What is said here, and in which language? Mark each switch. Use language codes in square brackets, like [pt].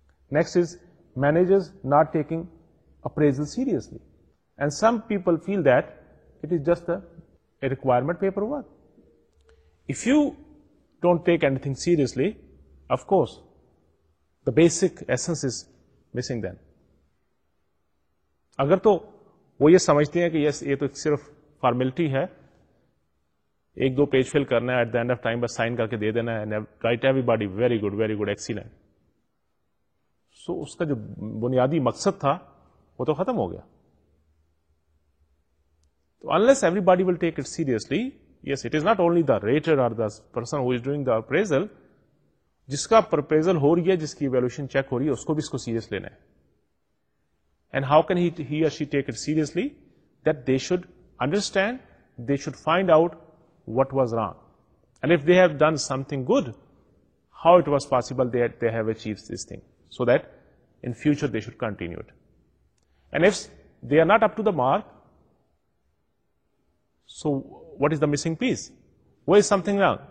[en] Next is managers not taking appraisal seriously. And some people feel that it is just a requirement paperwork. If you don't take anything seriously, of course, the basic essence is missing then. [ur] Agar toh, وہ یہ سمجھتے ہیں کہ یس یہ تو صرف formality ہے ایک دو پیج فل کرنا ہے [en] at the end of time [ur] بس سائن کر کے دے دینا ہے right [en] everybody very good excellent [ur] سو اس کا جو بنیادی مقصد تھا وہ تو ختم ہو گیا تو [en] unless everybody will take it seriously yes it is not only the rater or the person who is doing the appraisal [ur] جس کا پرپریزل ہو رہی ہے جس کی ایویلوشن چیک ہو رہی ہے اس کو بھی اس کو سیریس لینا ہے [en] And how can he or she take it seriously? That they should understand, they should find out what was wrong. And if they have done something good, how it was possible that they have achieved this thing. So that in future they should continue it. And if they are not up to the mark, so what is the missing piece? Where is something wrong?